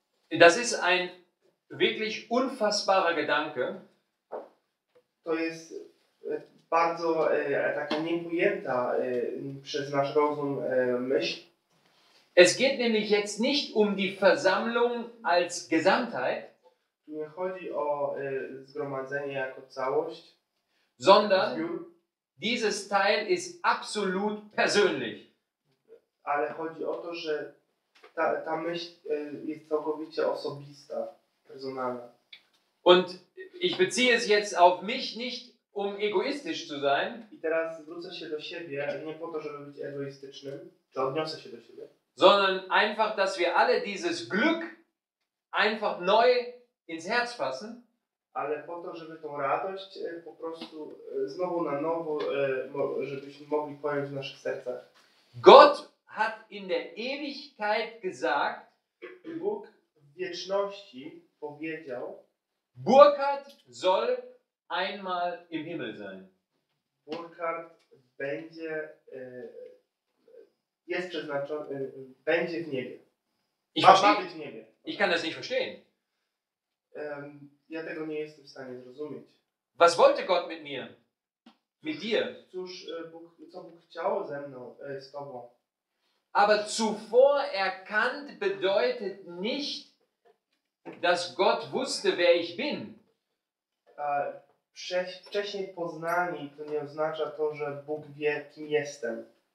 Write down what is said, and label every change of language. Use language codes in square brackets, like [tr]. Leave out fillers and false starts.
[de] Das ist ein wirklich unfassbarer Gedanke. [pl] To jest bardzo taka niepojęta przez nasz rozum myśl. [de] Es geht nämlich jetzt nicht um die Versammlung als Gesamtheit, [pl] nie chodzi o zgromadzenie jako całość, [de] sondern dieses Teil ist absolut persönlich. [pl] Ale chodzi o to, że ta myśl jest całkowicie osobista, personalna. [de] Und ich beziehe es jetzt auf mich, nicht um egoistisch zu sein. [pl] I teraz zwrócę się do siebie, nie po to, żeby być egoistycznym, czy odniosę się do siebie. [de] Sondern einfach, dass wir alle dieses Glück einfach neu ins Herz fassen. [pl] Ale po to, żeby tą radość po prostu znowu na nowo, żebyśmy mogli pojąć w naszych sercach. [de] Gott hat in der Ewigkeit gesagt, [pl] Bóg w wieczności powiedział, [de] Burkhard soll einmal im Himmel sein. [pl] Burkhard będzie jest przeznaczony, będzie w niebie. [de] Ich kann das nicht verstehen. [pl] Ja tego nie jestem w stanie zrozumieć. [de] Was wollte Gott mit mir? Mit dir? [pl] Cóż, Bóg, co Bóg chciał ze mną, z tobą? [de] Aber zuvor erkannt bedeutet nicht, dass Gott wusste, wer ich bin. [pl] Wcześniej poznani to nie oznacza to, że Bóg wie, kim jestem.